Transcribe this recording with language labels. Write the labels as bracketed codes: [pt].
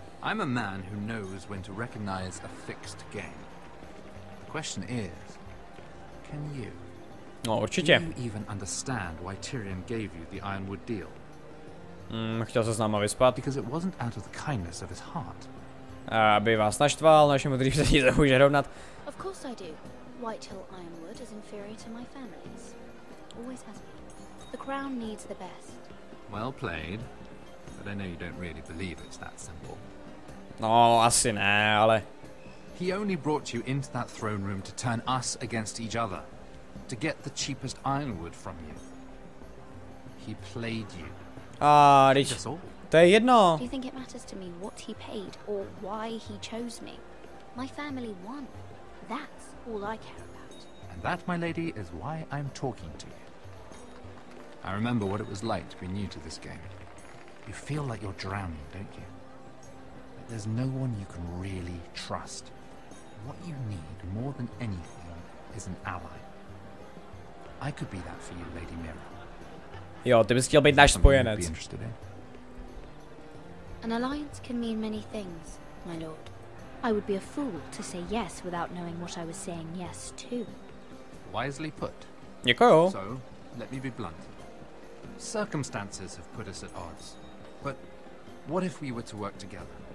[en] I'm a man who knows when to recognize a fixed game. The question is, can you? [cs] No, určitě. [en] Do you even understand why Tyrion gave you the ironwood deal? [cs] Chtěl se s náma vyspat. [en] Because it wasn't out of the kindness of his heart. [cs] Aby vás naštval, naše modrý vzadí se může rovnat. [en] Of course I do. Whitehill Ironwood is inferior to my family's. Always has been. The crown needs the best. Well played. But I know you don't really believe it's that simple. [cs] No, asi ne, ale... [en] He only brought you into that throne room to turn us against each other. To get the cheapest ironwood from you. He played you. [cs] To je jedno. [en] Do you think it matters to me what he paid or why he chose me? My family won. That's all I care about. And that, my lady, is why I'm talking to you. I remember what it was like to be new to this game. You feel like you're drowning, don't you? But there's no one you can really trust. What you need more than anything is an ally. I could be that for you, Lady Mira. [cs] Jo, ty bys chtěl být náš spojenec. [en] An alliance can mean many things, my lord. I would be a fool to say yes without knowing what I was saying yes to. Wisely put. [cs] Děkuju. [en] So, let me be blunt. Circumstances have put us at odds. But what if we were to work together?